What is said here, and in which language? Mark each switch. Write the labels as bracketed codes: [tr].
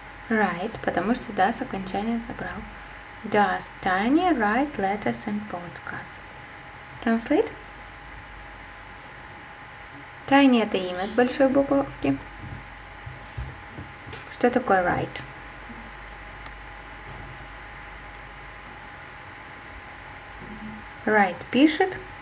[ru] Write, потому что does окончание забрал. [en] Does tiny write letters and postcards? Translate. [ru] Tiny это имя с большой буковки. Что такое write? Write пишет.